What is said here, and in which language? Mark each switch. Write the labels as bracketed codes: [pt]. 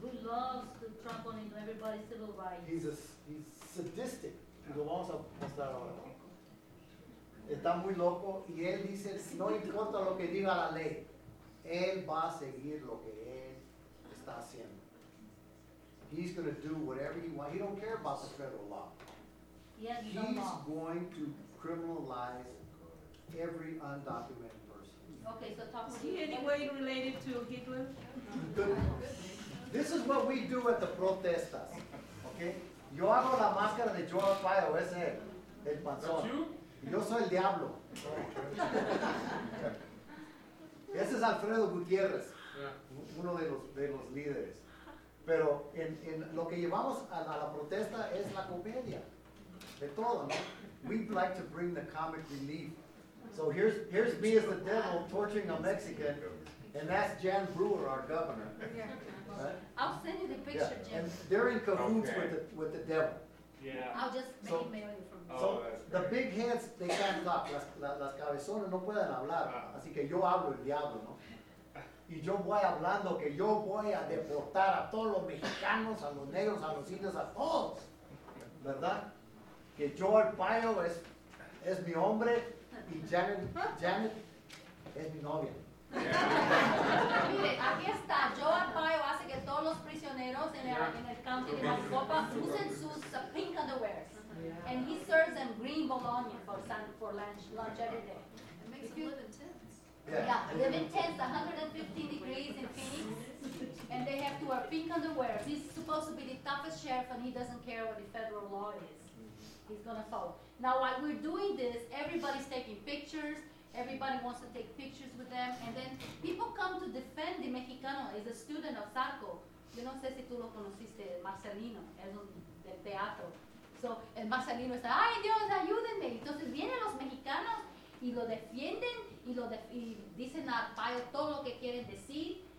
[en] Who loves to trample on everybody's civil rights. He's sadistic. [es] Y lo vamos a mostrar ahora. Está muy loco y él dice, no importa lo que diga la ley, él va a seguir lo que él está haciendo. [en] He's going to do whatever he wants. He don't care about the federal law. He's going to criminalize every undocumented person. Okay, so talk. Is he anyway related to Hitler? This is what we do at the protestas. Okay? [es] Yo hago la máscara de Joe Arpaio, ese es el panzón. Yo soy el diablo. Ese es Alfredo Gutiérrez, uno de los líderes. Pero en lo que llevamos a la protesta es la comedia. De todo, ¿no? [en] We'd like to bring the comic relief. So here's me as the devil torturing a Mexican, and that's Jan Brewer, our governor. Yeah. I'll send you the picture, yeah. Jim. And they're in cahoots with the devil. Yeah. I'll just make mail you from there. So the big heads, they can't talk. [es] Las cabezonas no pueden hablar. Así que yo hablo el diablo, ¿no? Y yo voy hablando que yo voy a deportar a todos los mexicanos, a los negros, a los indios, a todos. ¿Verdad? Que Joe Arpaio es mi hombre. Y Janet es mi novia. Mire, aquí está. Joe Arpaio hace que todos los prisioneros en el county de Maricopa usen sus [en] pink underwears. Yeah. And he serves them green bologna for lunch every day. It makes you live in tents. Yeah, live in tents, 115 degrees in Phoenix. And they have to wear pink underwear. He's supposed to be the toughest sheriff and he doesn't care what the federal law is. He's going to follow. Now, while we're doing this, everybody's taking pictures. Everybody wants to take pictures with them. And then people come to defend the Mexicano. He's a student of Zarco. [es] Yo no sé si tú lo conociste, Marcelino. Es del teatro. So, el Marcelino está, ay, Dios, ayúdenme. Entonces, vienen los Mexicanos y lo defienden y dicen a Arpaio todo lo que quieren decir.